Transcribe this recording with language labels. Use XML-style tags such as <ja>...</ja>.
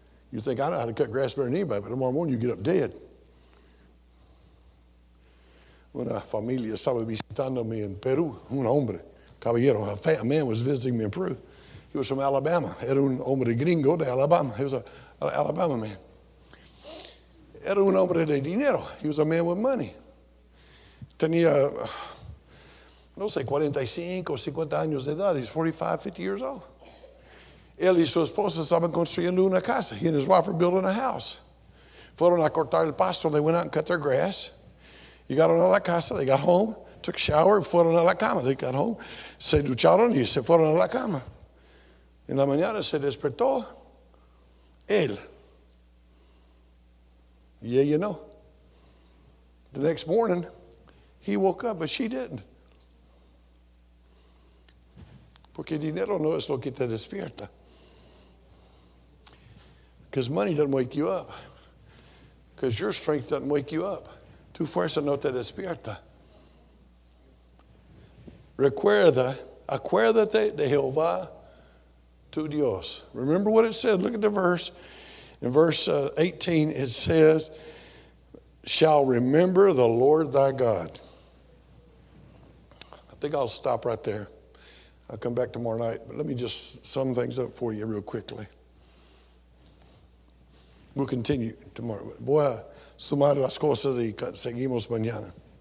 <en>You think, I know how to cut grass better than anybody, but tomorrow morning you get up dead.</en> <es>Una familia estaba visitándome en Perú, un hombre, caballero,</es> <en>a man was visiting me in Peru. He was from Alabama.</en> <es>Era un hombre gringo de Alabama.</es> <en>He was an Alabama man.</en> <es>Era un hombre de dinero.</es> <en>He was a man with money.</en> <es>Tenía, no sé, 45 o 50 años de edad.</es> <en>He's 45, 50 years old.</en> <es>Él y su esposa estaban construyendo una casa.</es> <en>He and his wife were building a house.</en> <es>Fueron a cortar el pasto.</es> <en>They went out and cut their grass.</en> <es>Y llegaron a la casa.</es> <en>They got home, took a shower,</en> <es>fueron a la cama.</es> <en>They got home,</en> <es>se ducharon y se fueron a la cama. En la mañana se despertó él.</es> <en>Yeah, you know. The next morning, he woke up, but she didn't.</en> <es>Porque dinero no es lo que te despierta.</es> <en>Because money doesn't wake you up. Because your strength doesn't wake you up.</en> <es>Tu fuerza no te despierta. Acuérdate de Jehová tu Dios.</es> <en>Remember what it said. Look at the verse. In verse 18, it says, shall remember the Lord thy God. I think I'll stop right there. I'll come back tomorrow night. But let me just sum things up for you real quickly. We'll continue tomorrow.</en> <es>Voy a sumar las cosas y seguimos mañana.</es>